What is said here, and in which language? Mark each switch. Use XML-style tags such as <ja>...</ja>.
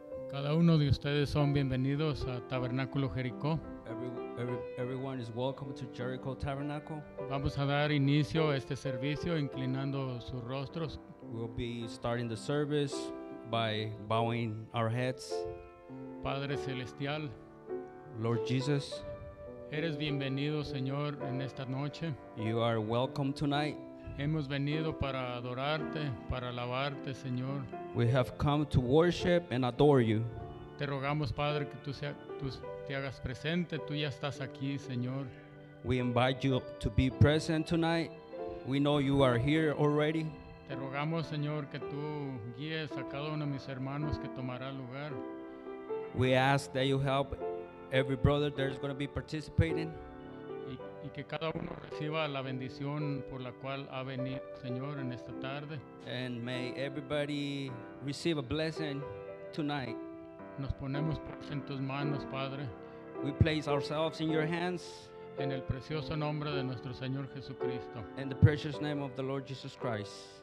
<es>Cada uno de ustedes son bienvenidos a Tabernáculo Jericó.</es> <en>Everyone is welcome to Jericho Tabernacle.</en> <es>Vamos a dar inicio a este servicio inclinando sus rostros.</es> <en>We'll be starting the service by bowing our heads.</en> <es>Padre Celestial,</es> <en>Lord Jesus,</en> <es>eres bienvenido, Señor, en esta noche.</es> <en>You are welcome tonight.</en> <es>Hemos venido para adorarte, para alabarte, Señor.</es> <en>We have come to worship and adore you.</en> <es>Te rogamos, Padre, que tú te hagas presente. Tú ya estás aquí, Señor.</es> <en>We invite you to be present tonight. We know you are here already.</en> <es>Te rogamos, Señor, que tú guíes a cada uno de mis hermanos que tomará lugar.</es> <en>We ask that you help every brother that is going to be participating.</en> <es>Y que cada uno reciba la bendición por la cual ha venido, Señor, en esta tarde.</es> <en>And may everybody receive a blessing tonight.</en> <es>Nos ponemos en tus manos, Padre.</es> <en>We place ourselves in your hands.</en> <es>En el precioso nombre de nuestro Señor Jesucristo.</es> <en>In the precious name of the Lord Jesus Christ.</en>